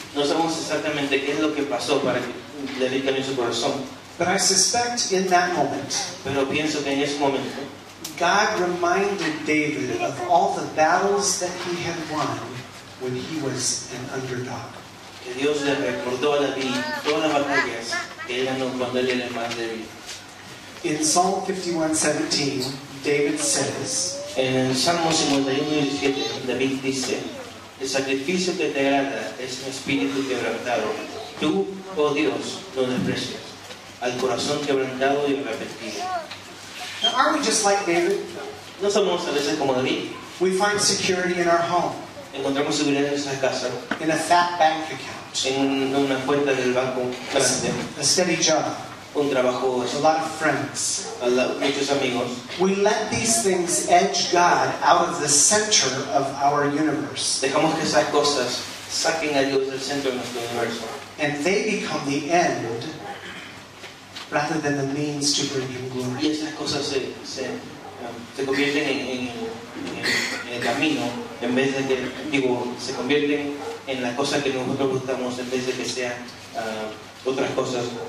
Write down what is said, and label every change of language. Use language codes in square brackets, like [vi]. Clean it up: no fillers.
[es] No sabemos exactamente qué es lo que pasó para que David cambió su corazón. [en] But I suspect in that moment, [es] pero pienso que en ese momento, [en] God reminded David of all the battles that he had won when he was an underdog. [es] Que Dios le recordó a David todas las batallas que él ganó cuando él era más débil. [en] In Psalm 51:17, David says, [es] en el Salmo 51:17, David dice, el sacrificio que te agrada es un espíritu quebrantado. Tú, oh Dios, lo desprecias. Al corazón quebrantado y arrepentido. [en] Now, aren't we just like David? [es] ¿No somos a veces como David? [en] We find security in our home. [es] Encontramos seguridad en nuestra casa. [en] In a fat bank account. [es] En una cuenta del banco grande. [en] A steady job. [es] Un trabajo. [en] A lot of friends. [es] Muchos amigos. [en] We let these things edge God out of the center of our universe. [es] Dejamos que esas cosas saquen a Dios del centro de nuestro universo. [en] And they become the end rather than the means to bring Him glory. [es] Y esas cosas se convierten en el camino en vez de que, digo, se convierten en la cosa que nosotros buscamos en vez de que sean otras cosas.